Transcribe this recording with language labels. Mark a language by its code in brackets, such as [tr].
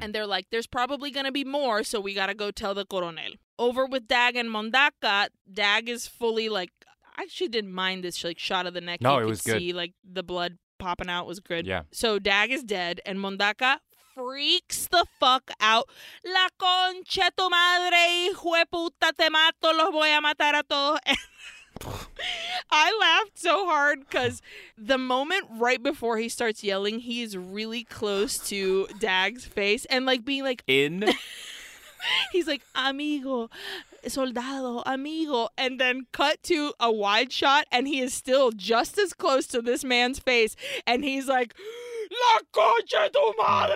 [en] And they're like, there's probably going to be more, so we got to go tell the coronel. Over with Dag and Mondaka, Dag is fully, like, I actually didn't mind this, like, shot of the neck. No, you it could was good. See, like, the blood popping out was good. Yeah. So Dag is dead, and Mondaka freaks the fuck out. [es] La concha tu madre, hijo de puta, te mato, los voy a matar a todos. [en] I laughed so hard because the moment right before he starts yelling, he is really close to Dag's face and, like, being like, in. He's like, [es] amigo, soldado, amigo. [en] And then cut to a wide shot and he is still just as close to this man's face and he's like, [es] la concha tu madre!